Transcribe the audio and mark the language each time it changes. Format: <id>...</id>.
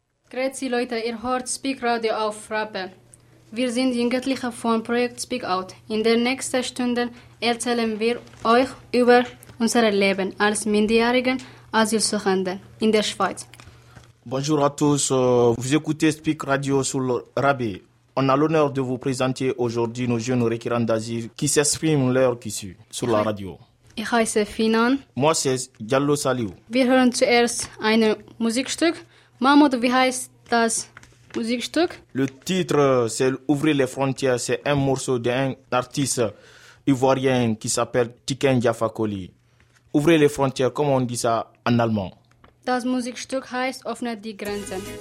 <de>Grüezi Leute, ihr hört Speak Radio auf Rappe. Wir sind Jugendliche vom Projekt Speak Out. In den nächsten Stunden erzählen wir euch über unser Leben als minderjährige Asylsuchende in der Schweiz.</de> <fr>Bonjour à tous, vous écoutez Speak Radio sur le Rabe. On a l'honneur de vous présenter aujourd'hui nos jeunes requérants d'asile qui s'expriment l'heure qui suit sur la radio.</fr> <de>Ich heiße Finan.</de> <fr>Moi c'est Diallo Saliou.</fr> <de>Wir hören zuerst ein Musikstück. Mahmoud, wie heißt das Musikstück?</de> <fr>Le titre, c'est Ouvrir les frontières, c'est un morceau d'un artiste ivoirien qui s'appelle Tiken Jaffa Coli. Ouvrir les frontières, comment on dit ça en allemand?</fr> <de>Das Musikstück heißt Öffne die Grenzen.</de>